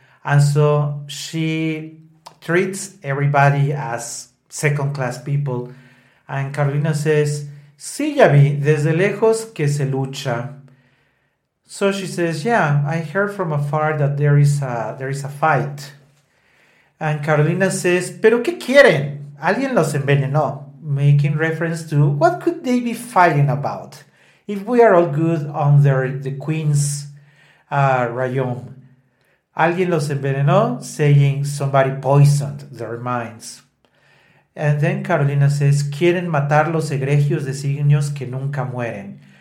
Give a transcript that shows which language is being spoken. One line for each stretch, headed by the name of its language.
English: And so she treats everybody as second-class people. And Carolina says,
Spanish: sí, ya vi, desde lejos que se lucha.
English: So she says, yeah, I heard from afar that there is a fight. And Carolina says,
Spanish: pero ¿qué quieren? Alguien los envenenó.
English: Making reference to what could they be fighting about if we are all good under the queen's rayon.
Spanish: Alguien los envenenó,
English: saying somebody poisoned their minds. And then Carolina says,
Spanish: quieren matar los egregios designios que nunca mueren.